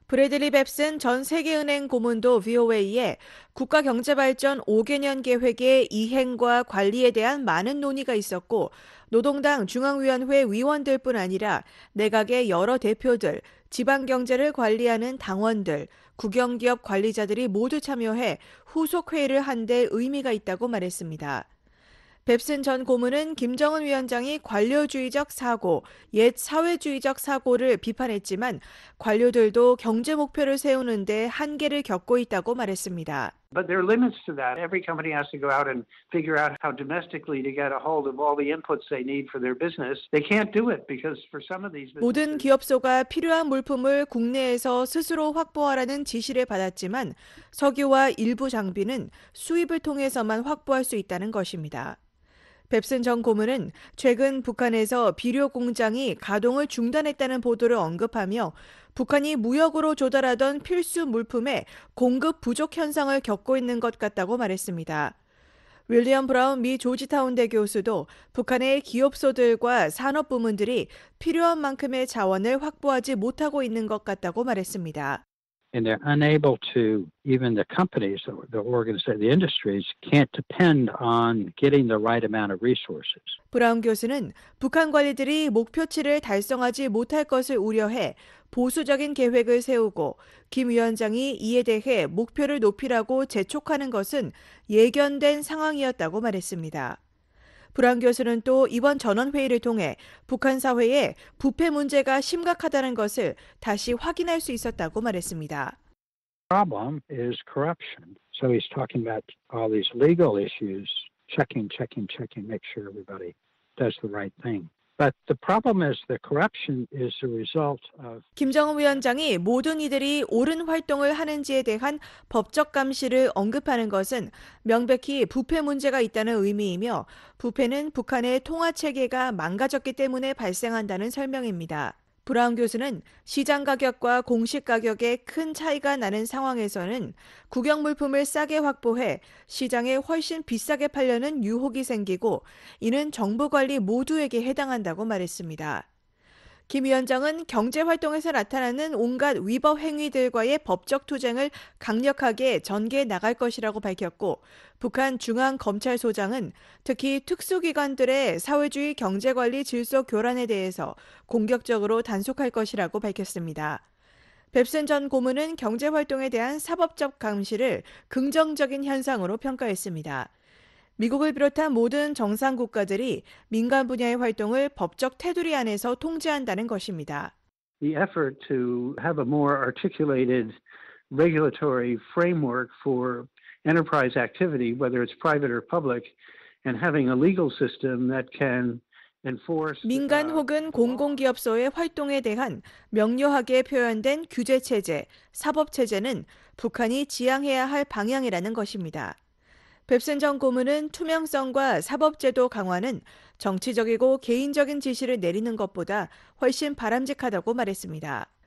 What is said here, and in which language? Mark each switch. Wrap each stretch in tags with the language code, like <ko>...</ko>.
<ko>브래들리 뎁슨 전 세계은행 고문도 VOA에 국가경제발전 5개년 계획의 이행과 관리에 대한 많은 논의가 있었고 노동당 중앙위원회 위원들뿐 아니라 내각의 여러 대표들, 지방경제를 관리하는 당원들, 국영기업 관리자들이 모두 참여해 후속 회의를 한 데 의미가 있다고 말했습니다. 뱁슨 전 고문은 김정은 위원장이 관료주의적 사고, 옛 사회주의적 사고를 비판했지만 관료들도 경제 목표를 세우는 데 한계를 겪고 있다고 말했습니다.</ko> <en>But there are limits to that. Every company has to go out and figure out how domestically to get a hold of all the inputs they need for their business. They can't do it because for some of these businesses.</en> <ko>모든 기업소가 필요한 물품을 국내에서 스스로 확보하라는 지시를 받았지만 석유와 일부 장비는 수입을 통해서만 확보할 수 있다는 것입니다. 뱁슨 전 고문은 최근 북한에서 비료 공장이 가동을 중단했다는 보도를 언급하며 북한이 무역으로 조달하던 필수 물품에 공급 부족 현상을 겪고 있는 것 같다고 말했습니다. 윌리엄 브라운 미 조지타운대 교수도 북한의 기업소들과 산업 부문들이 필요한 만큼의 자원을 확보하지 못하고 있는 것 같다고 말했습니다.</ko> <en>And they're unable to, even the companies, the organizations, the industries can't depend on getting the right amount of resources.</en> <ko>브라운 교수는 북한 관리들이 목표치를 달성하지 못할 것을 우려해 보수적인 계획을 세우고 김 위원장이 이에 대해 목표를 높이라고 재촉하는 것은 예견된 상황이었다고 말했습니다. 브라운 교수는 또 이번 전원회의를 통해 북한 사회에 부패 문제가 심각하다는 것을 다시 확인할 수 있었다고 말했습니다.</ko> <en>Problem is corruption. So he's talking about all these legal issues, checking, make sure everybody does the right thing. But the problem is the corruption is the result of</en> <ko>김정은 위원장이 모든 이들이 옳은 활동을 하는지에 대한 법적 감시를 언급하는 것은 명백히 부패 문제가 있다는 의미이며 부패는 북한의 통화 체계가 망가졌기 때문에 발생한다는 설명입니다. 브라운 교수는 시장 가격과 공식 가격에 큰 차이가 나는 상황에서는 국영 물품을 싸게 확보해 시장에 훨씬 비싸게 팔려는 유혹이 생기고 이는 정부 관리 모두에게 해당한다고 말했습니다. 김 위원장은 경제 활동에서 나타나는 온갖 위법 행위들과의 법적 투쟁을 강력하게 전개해 나갈 것이라고 밝혔고 북한 중앙검찰소장은 특히 특수기관들의 사회주의 경제관리 질서 교란에 대해서 공격적으로 단속할 것이라고 밝혔습니다. 뱁슨 전 고문은 경제 활동에 대한 사법적 감시를 긍정적인 현상으로 평가했습니다. 미국을 비롯한 모든 정상 국가들이 민간 분야의 활동을 법적 테두리 안에서 통제한다는 것입니다.</ko> <en>The effort to have a more articulated regulatory framework for enterprise activity, whether it's private or public, and having a legal system that can</en> <ko>민간 혹은 공공기업소의 활동에 대한 명료하게 표현된 규제체제, 사법체제는 북한이 지향해야 할 방향이라는 것입니다. 뱁슨 전 고문은 투명성과 사법제도 강화는 정치적이고 개인적인 지시를 내리는 것보다 훨씬 바람직하다고 말했습니다.</ko>